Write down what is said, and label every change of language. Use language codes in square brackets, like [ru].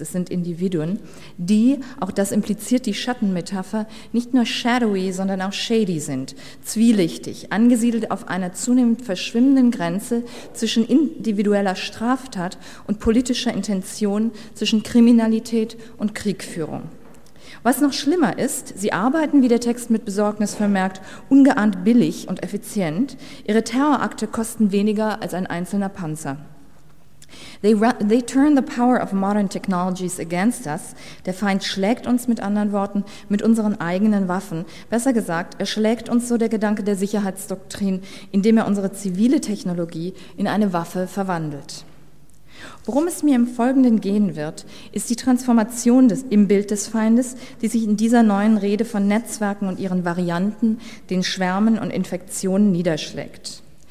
[de] Es sind Individuen, die, auch das impliziert die Schattenmetapher, nicht nur shadowy, sondern auch shady sind, zwielichtig, angesiedelt auf einer zunehmend verschwimmenden Grenze zwischen individueller Straftat und politischer Intention, zwischen Kriminalität und Kriegführung. Was noch schlimmer ist, sie arbeiten, wie der Text mit Besorgnis vermerkt, ungeahnt billig und effizient. Ihre Terrorakte kosten weniger als ein einzelner Panzer. [en] They turn the power of modern technologies against us. [de] Der Feind schlägt uns, mit anderen Worten, mit unseren eigenen Waffen. Besser gesagt, er schlägt uns, so der Gedanke der Sicherheitsdoktrin, indem er unsere zivile Technologie in eine Waffe verwandelt. Worum es mir im Folgenden gehen wird, ist die Transformation im Bild des Feindes, die sich in dieser neuen Rede von Netzwerken und ihren Varianten, den Schwärmen und Infektionen niederschlägt.